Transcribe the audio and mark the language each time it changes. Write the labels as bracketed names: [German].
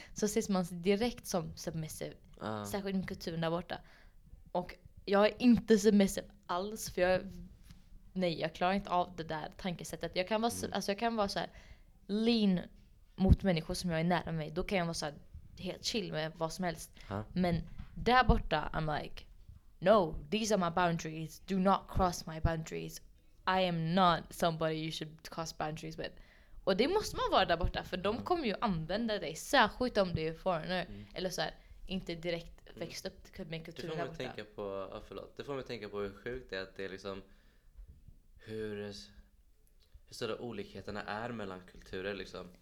[Swedish] Så ses man direkt som submissive. Ah. Särskilt med kulturen där borta. Och jag är inte submissive alls. För jag, nej, jag klarar inte av det där tankesättet. Jag kan vara, alltså jag kan vara så här lean mot människor som jag är nära mig. Då kan jag vara så här helt chill med vad som helst. Huh? Men där borta, [English] I'm like, no, these are my boundaries. Do not cross my boundaries. I am not somebody you should cross boundaries with. [Swedish] Och det måste man vara där borta, för de kommer ju använda dig, särskilt om du är foreigner eller så här, inte direkt växt upp med kulturen där borta. Tänka på, förlåt, det får man tänka på hur sjukt det är att det är liksom hur stora olikheterna är mellan kulturer liksom.